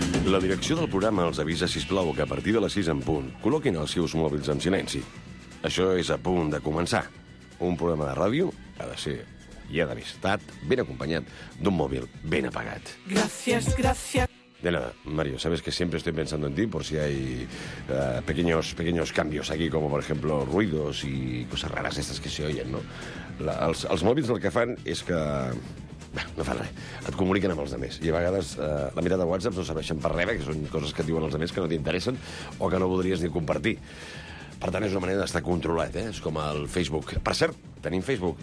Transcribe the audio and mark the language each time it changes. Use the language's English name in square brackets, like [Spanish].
[Catalan] La direcció del programa els avisa, sisplau, que a partir de les 6 en punt col·loquin els seus mòbils en silenci. Això és a punt de començar. Un programa de ràdio ha de ser i ha d'haver estat ben acompanyat d'un mòbil ben apagat. Gràcies, gràcies. [Spanish] De nada, Mario, sabes que siempre estoy pensando en ti por si hay pequeños cambios aquí, como por ejemplo ruidos y cosas raras estas que se oyen, ¿no? [Catalan] Els mòbils el que fan és que... No fa res, et comuniquen amb els altres. I a vegades la mirada de WhatsApp no serveixen per res, que són coses que et diuen els altres que no t'interessen o que no voldries ni compartir. Per tant, és una manera d'estar controlat, eh? És com el Facebook. Per cert, tenim Facebook.